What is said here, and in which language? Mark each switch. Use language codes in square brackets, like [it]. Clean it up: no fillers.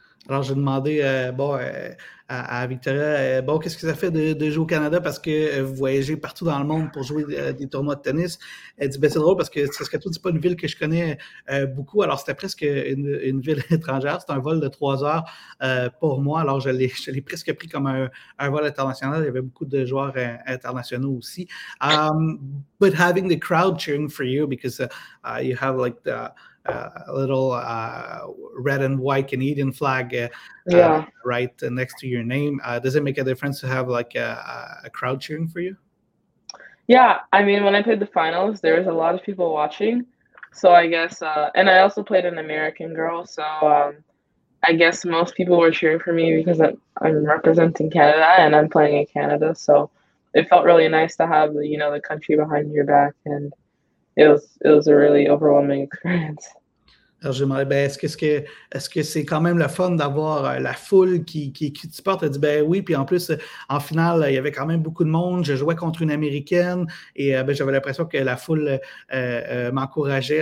[fr] Alors, j'ai demandé à Victoria, bon, qu'est-ce que ça fait de jouer au Canada parce que vous voyagez partout dans le monde pour jouer des tournois de tennis. Elle dit, ben, c'est drôle parce que Saskatoon, c'est pas une ville que je connais beaucoup. Alors, c'était presque une ville étrangère. C'est un vol de 3 heures pour moi. Alors, je l'ai presque pris comme un vol international. Il y avait beaucoup de joueurs internationaux aussi. [en] But having the crowd cheering for you because you have like the... A little red and white Canadian flag right next to your name. Does it make a difference to have like a crowd cheering for you? Yeah, I mean, when I played the finals, there was a lot of people watching. So I guess, and I also played an American girl. So I guess most people were cheering for me because I'm representing Canada and I'm playing in Canada. So it felt really nice to have, you know, the country behind your back. And it was a really overwhelming experience. [fr] Alors, j'aimerais, ben, est-ce que c'est quand même le fun d'avoir la foule qui te supporte? Elle dit, ben oui. Puis en plus, en finale, il y avait quand même beaucoup de monde. Je jouais contre une Américaine et ben, j'avais l'impression que la foule m'encourageait.